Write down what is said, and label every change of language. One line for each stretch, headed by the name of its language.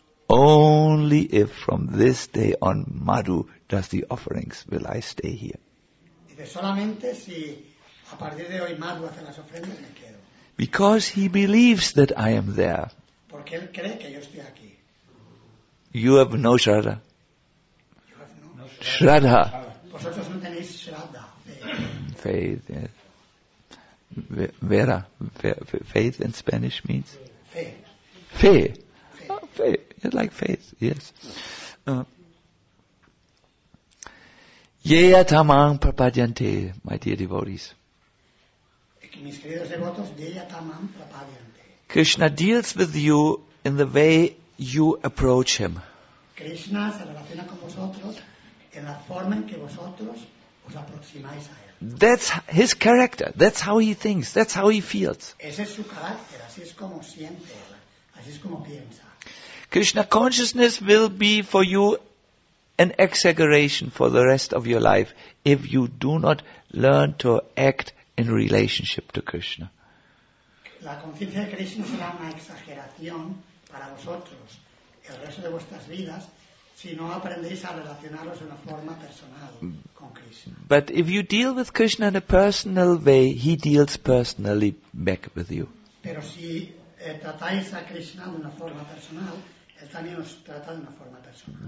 English: Only if from this day on Madhu does the offerings will I stay here.
Spanish: Dice, solamente si a partir de hoy Madhu hace las ofrendas, me quedo.
English: Because he believes that I am there.
Spanish: Porque él cree que yo estoy aquí.
English: You have no Shraddha. You have no Shraddha.
Spanish: Vosotros no tenéis Shraddha.
English: Faith, yes. Vera. Faith in Spanish means?
Spanish: Fe.
English: Oh, fe. Like faith, yes.
Sanskrit: Yeya tamang prapadyante,
English: my dear devotees.
Spanish: Mis queridos devotos,
Sanskrit: yeya tamang prapadyante.
English: Krishna deals with you in the way you approach him.
Spanish: Krishna se relaciona con vosotros en la forma en que vosotros os aproximáis a él.
English: That's his character. That's how he thinks. That's how he feels.
Spanish: Ese es su carácter. Así es como siente. Así es como piensa.
English: Krishna consciousness will be for you an exaggeration for the rest of your life if you do not learn to act in relationship to Krishna.
Spanish: La conciencia de Krishna será una exageración para vosotros el resto de vuestras vidas si no aprendéis a relacionaros de una forma personal con Krishna.
English: But if you deal with Krishna in a personal way, he deals personally back with you.
Spanish: Pero si tratáis a Krishna de una forma personal, él también os trata de una forma personal.